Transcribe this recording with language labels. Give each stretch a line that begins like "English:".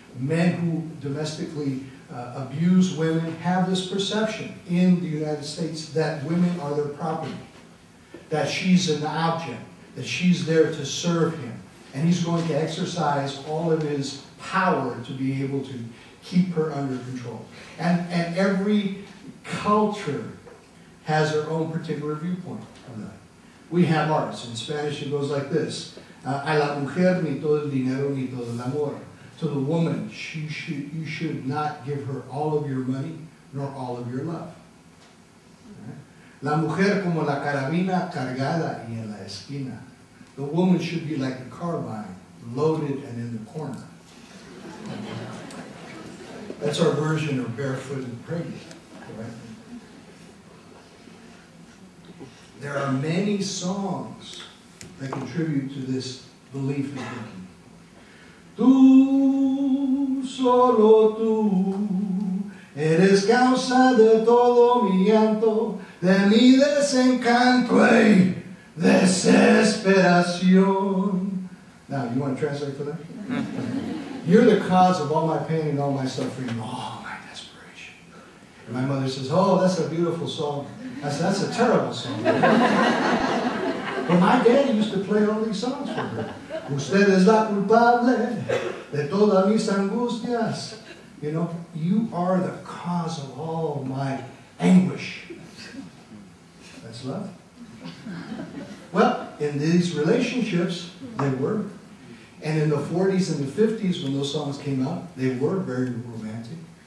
English: Men who domestically abuse women have this perception in the United States that women are their property, that she's an object, that she's there to serve him. And he's going to exercise all of his power to be able to keep her under control. And every culture has their own particular viewpoint of that. We have ours. In Spanish, it goes like this.
Spanish: A la mujer ni todo el dinero ni todo el amor.
English: To the woman, you should not give her all of your money nor all of your love.
Spanish: La mujer como la carabina cargada y en la esquina.
English: The woman should be like a carbine, loaded and in the corner. That's our version of barefoot and pregnant, right? There are many songs that contribute to this belief in thinking.
Spanish: Tú, solo tú, eres causa de todo mi llanto, de mi desencanto y desesperación.
English: Now, you want to translate for them? You're the cause of all my pain and all my suffering, all my desperation. And my mother says, oh, that's a beautiful song. I said, that's a terrible song. But my daddy used to play all these songs for her.
Spanish: Usted es la culpable de todas mis angustias.
English: You know, you are the cause of all my anguish. That's love. Well, in these relationships, they were. And in the 40s and the 50s, when those songs came out, they were very romantic.